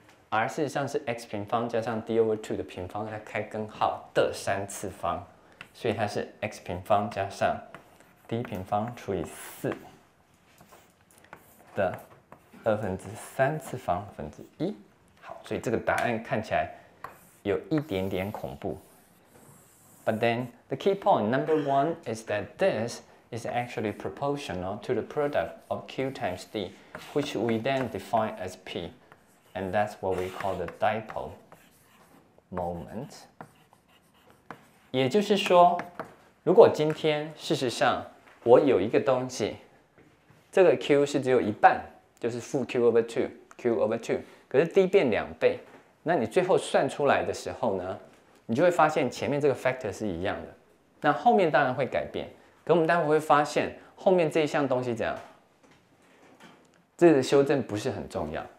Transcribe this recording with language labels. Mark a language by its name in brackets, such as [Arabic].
[Chinese] r 事实上是 x 平方加上 d over 2的平方再开根号的三次方，所以它是 x 平方加上 d 平方除以4的二分之三次方分之一。好，所以这个答案看起来有一点点恐怖。 [English] But then the key point number one is that this is actually proportional to the product of q times d, which we then define as p, and that's what we call the dipole moment. [Chinese] 也就是说，如果今天事实上我有一个东西，这个 q 是只有一半，就是负 q over 2 q over 2， 可是 d 变两倍，那你最后算出来的时候呢，你就会发现前面这个 factor 是一样的，那后面当然会改变，可我们待会会发现后面这一项东西怎样，这个修正不是很重要。